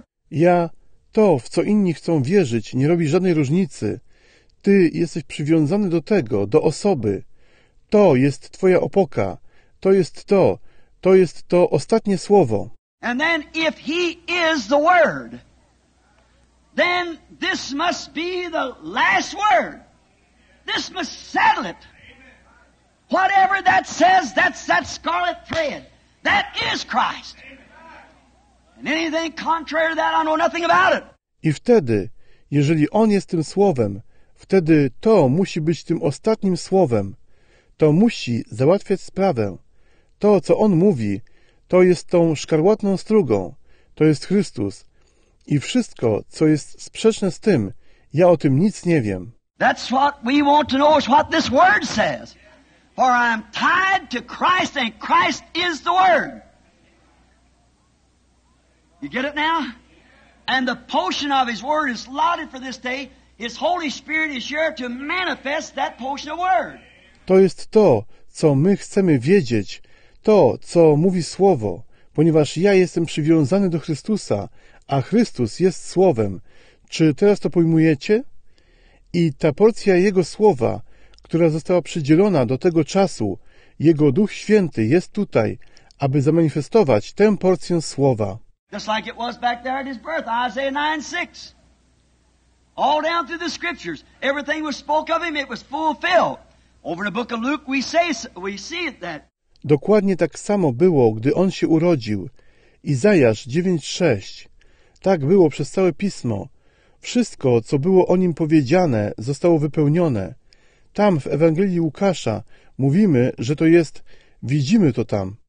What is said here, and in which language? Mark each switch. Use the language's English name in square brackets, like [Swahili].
[Polish] Ja, to, w co inni chcą wierzyć, nie robi żadnej różnicy. Ty jesteś przywiązany do tego, do osoby. To jest twoja opoka. To jest to ostatnie słowo. [English] And then if he is the word, then this must be the last word. This must settle it. Whatever that says, that's that scarlet thread. That is Christ. And anything contrary to that, I know nothing about it. [Polish] I wtedy, jeżeli on jest tym słowem, wtedy to musi być tym ostatnim słowem. To musi załatwiać sprawę. To, co on mówi, to jest tą szkarłatną strugą. To jest Chrystus. I wszystko, co jest sprzeczne z tym, ja o tym nic nie wiem. [English] That's what we want to know is what this word says. For I am tied to Christ and Christ is the word. You get it now? And the portion of his word is allotted for this day. His Holy Spirit is here to manifest that portion of word. [Polish] To jest to, co my chcemy wiedzieć, to, co mówi Słowo, ponieważ ja jestem przywiązany do Chrystusa, a Chrystus jest Słowem. Czy teraz to pojmujecie? I ta porcja Jego Słowa, która została przydzielona do tego czasu, Jego Duch Święty jest tutaj, aby zamanifestować tę porcję Słowa. [English] Just like it was back there at his birth, Isaiah 9:6. All down through the scriptures, everything was spoke of him, it was fulfilled. Over in the book of Luke, we see it that. [Polish] Dokładnie tak samo było, gdy on się urodził. Izajasz 9:6. Tak było przez całe pismo. Wszystko, co było o nim powiedziane, zostało wypełnione. Tam w Ewangelii Łukasza mówimy, że to jest, widzimy to tam.